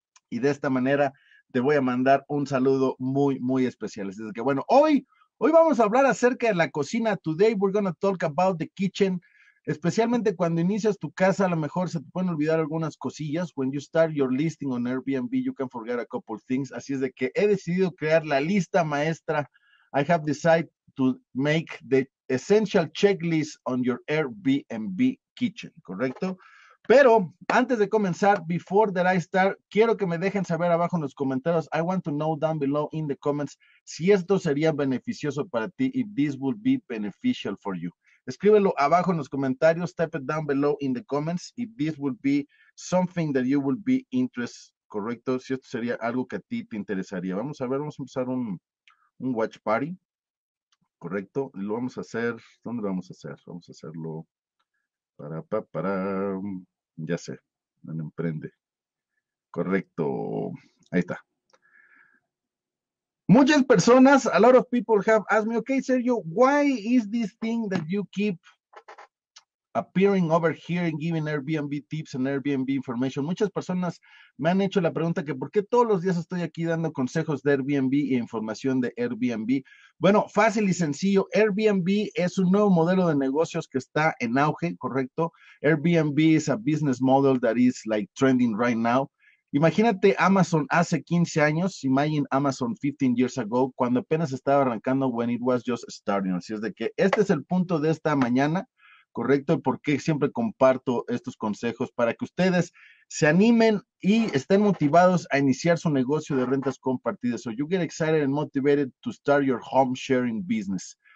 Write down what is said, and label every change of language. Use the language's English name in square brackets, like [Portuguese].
[Spanish] Y de esta manera te voy a mandar un saludo muy, muy especial. Así que bueno, hoy vamos a hablar acerca de la cocina. [English] Today we're going to talk about the kitchen. [Spanish] Especialmente cuando inicias tu casa, a lo mejor se te pueden olvidar algunas cosillas. [English] When you start your listing on Airbnb, you can forget a couple things. [Spanish] Así es de que he decidido crear la lista maestra. [English] I have decided to make the essential checklist on your Airbnb kitchen, ¿correcto? [Spanish] Pero antes de comenzar, [English] before that I start, [Spanish] quiero que me dejen saber abajo en los comentarios. [English] I want to know down below in the comments [Spanish] si esto sería beneficioso para ti, [English] if this would be beneficial for you. [Spanish] Escríbelo abajo en los comentarios, [English] type it down below in the comments, if this would be something that you would be interested, ¿correcto? [Spanish] Si esto sería algo que a ti te interesaría. Vamos a ver, vamos a empezar un watch party, ¿correcto? Y lo vamos a hacer, ¿dónde lo vamos a hacer? Vamos a hacerlo para, ya sé, en Emprende, ¿correcto? Ahí está. Muchas personas, [English] a lot of people have asked me, okay, Sergio, why is this thing that you keep appearing over here and giving Airbnb tips and Airbnb information? [Spanish] Muchas personas me han hecho la pregunta que ¿por qué todos los días estoy aquí dando consejos de Airbnb e información de Airbnb? Bueno, fácil y sencillo, Airbnb es un nuevo modelo de negocios que está en auge, ¿correcto? [English] Airbnb is a business model that is like trending right now. [Spanish] Imagínate Amazon hace 15 años, [English] imagine Amazon 15 years ago, [Spanish] cuando apenas estaba arrancando, [English] when it was just starting. [Spanish] Así es de que este es el punto de esta mañana, ¿correcto? Porque siempre comparto estos consejos para que ustedes se animen y estén motivados a iniciar su negocio de rentas compartidas. [English] So you get excited and motivated to start your home sharing business.